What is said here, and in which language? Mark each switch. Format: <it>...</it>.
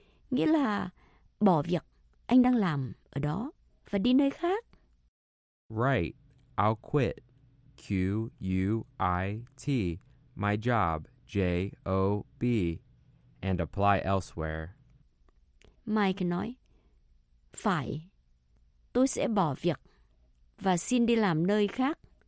<vi>Nghĩa là bỏ việc anh đang làm ở đó và đi nơi khác.</vi> <en>Right, I'll quit. Q-U-I-T, my job, J-O-B, and apply elsewhere.</en> <vi>Mike nói, phải. Tôi sẽ bỏ việc và xin đi làm nơi khác.</vi>